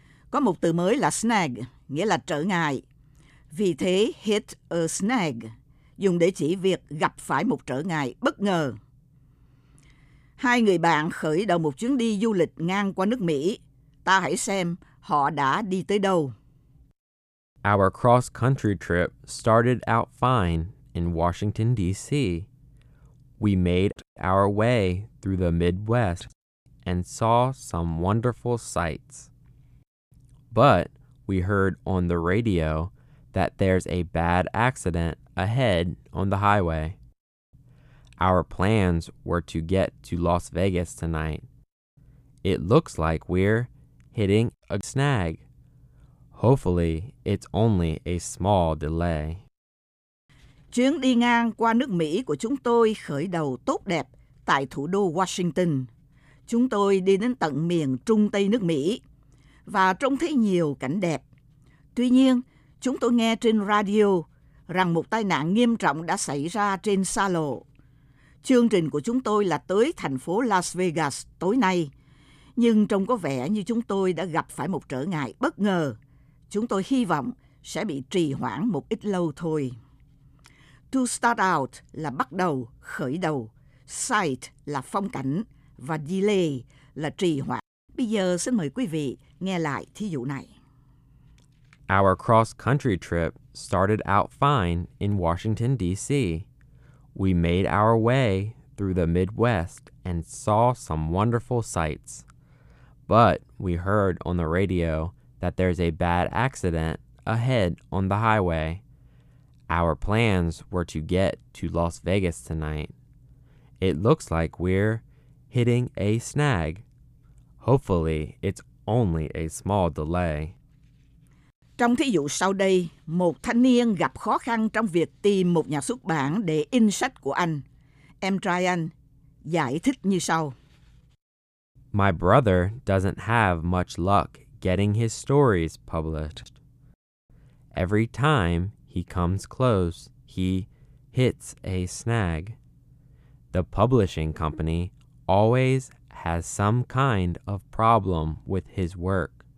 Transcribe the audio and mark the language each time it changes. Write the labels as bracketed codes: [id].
[vi] Có một từ mới là snag, nghĩa là trở ngại. Vì thế, [en] hit a snag [vi] dùng để chỉ việc gặp phải một trở ngại bất ngờ. Hai người bạn khởi đầu một chuyến đi du lịch ngang qua nước Mỹ. Ta hãy xem họ đã đi tới đâu. [en] Our cross-country trip started out fine in Washington, D.C. We made our way through the Midwest and saw some wonderful sights. But we heard on the radio that there's a bad accident ahead on the highway. Our plans were to get to Las Vegas tonight. It looks like we're hitting a snag. Hopefully, it's only a small delay. [vi] Chuyến đi ngang qua nước Mỹ của chúng tôi khởi đầu tốt đẹp tại thủ đô Washington. Chúng tôi đi đến tận miền Trung Tây nước Mỹ và trông thấy nhiều cảnh đẹp. Tuy nhiên, chúng tôi nghe trên radio rằng một tai nạn nghiêm trọng đã xảy ra trên xa lộ. Chương trình của chúng tôi là tới thành phố Las Vegas tối nay, nhưng trông có vẻ như chúng tôi đã gặp phải một trở ngại bất ngờ. Chúng tôi hy vọng sẽ bị trì hoãn một ít lâu thôi. [en] To start out [vi] là bắt đầu, khởi đầu. Sight là phong cảnh. Và delay là trì hoãn. Bây giờ xin mời quý vị nghe lại thí dụ này. [en] Our cross-country trip started out fine in Washington, D.C. We made our way through the Midwest and saw some wonderful sights. But we heard on the radio that there's a bad accident ahead on the highway. Our plans were to get to Las Vegas tonight. It looks like we're hitting a snag. Hopefully, it's only a small delay. [vi] Trong thí dụ sau đây, một thanh niên gặp khó khăn trong việc tìm một nhà xuất bản để in sách của anh. Em trai anh giải thích như sau. [en] My brother doesn't have much luck getting his stories published. Every time he comes close, he hits a snag. The publishing company always has some kind of problem with his work.